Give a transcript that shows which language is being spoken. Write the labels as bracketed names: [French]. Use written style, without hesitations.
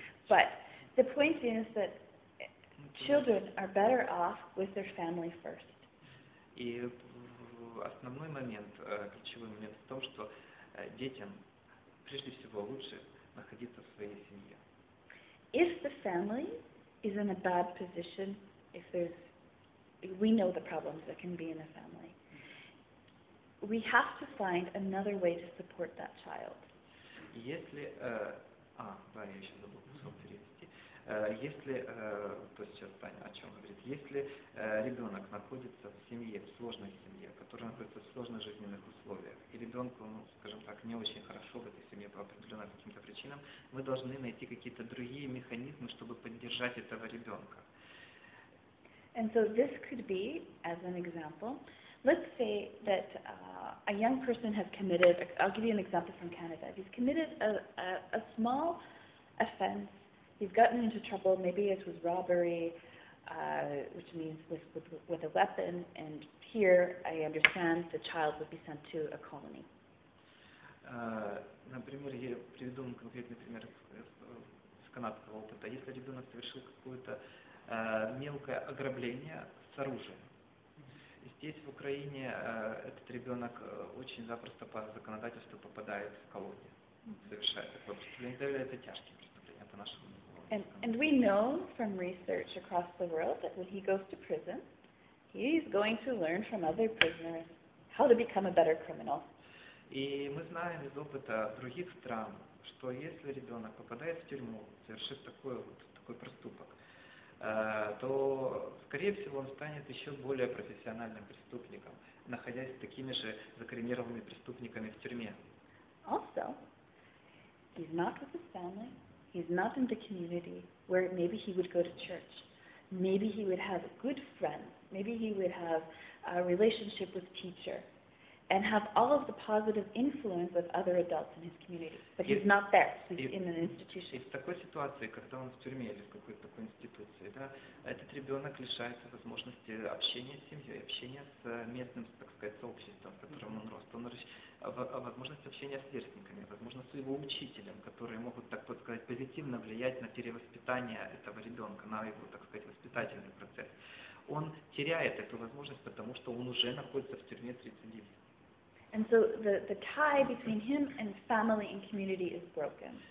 [English] But the point is that children are better off with their family first. [Russian] И основной момент, ключевой момент в том, что детям прежде всего лучше находиться в своей семье. [English] If the family is in a bad position, if there's, we know the problems that can be in a family, we have to find another way to support that child. [Russian] Если, я еще забыл кусок перевести. Если, то сейчас Таня о чем говорит, если ребенок находится в семье, в сложной семье, которая находится в сложных жизненных условиях, и ребенку, ну, скажем так, не очень хорошо в этой семье по определенным каким-то причинам, мы должны найти какие-то другие механизмы, чтобы поддержать этого ребенка. [English] And so this could be, as an example, let's say that a young person has committed, I'll give you an example from Canada, he's committed a small offense. He's gotten into trouble, maybe it was robbery, which means with a weapon, and here I understand the child would be sent to a colony. [Russian] Например, я приведу вам конкретный пример с канадского опыта. Если ребенок совершил какое-то мелкое ограбление с оружием, здесь в Украине этот ребенок очень запросто по законодательству попадает в колонию, совершает такое преступление. Это тяжкие преступления по нашему закону. [English] And we know from research across the world that when he goes to prison, he is going to learn from other prisoners how to become a better criminal. [Russian] И мы знаем из опыта других стран, что если ребенок попадает в тюрьму, совершив такой вот такой проступок, то, скорее всего, он станет еще более профессиональным преступником, находясь с такими же закоренированными преступниками в тюрьме. [English] Also, he's not with his family, he's not in the community where maybe he would go to church, maybe he would have good friends, maybe he would have a relationship with teacher, and have all of the positive influence of other adults in his community. But he's not there, he's in an institution. [Russian] И в такой ситуации, когда он в тюрьме или в какой-то такой институции, да, этот ребенок лишается возможности общения с семьей, общения с местным, так сказать, сообществом, в котором он рос. Он возможность общения с сверстниками, возможно, с его учителем, которые могут, так сказать, позитивно влиять на перевоспитание этого ребенка, на его, так сказать, воспитательный процесс. Он теряет эту возможность, потому что он уже находится в тюрьме 39. [English] And so the tie between him and family and community is broken.